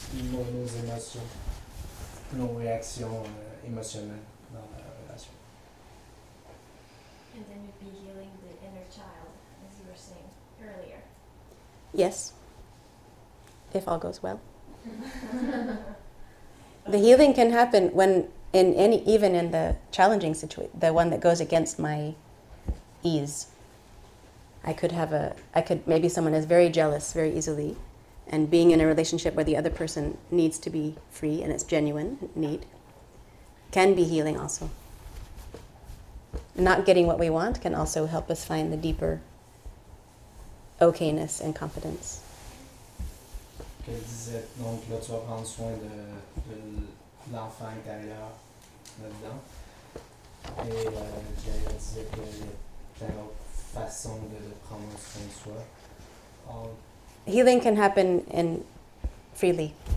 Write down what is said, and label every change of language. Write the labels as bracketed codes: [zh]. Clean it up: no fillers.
[fr] Nos émotions, nos réactions émotionnelles dans la relation. [en] And then you'd be healing the inner child, as you were saying earlier. Yes. If all goes well. The healing can happen when in any, even in the challenging situation, the one that goes against my ease. Maybe someone is very jealous very easily, and being in a relationship where the other person needs to be free and it's genuine need can be healing also. Not getting what we want can also help us find the deeper okayness and confidence. [fr] Qu'elle disait, donc là, tu vas prendre soin de l'enfant intérieur là-dedans. Et elle disait qu'il y a plein d'autres façons de prendre soin de soi. [en] Healing can happen in freely.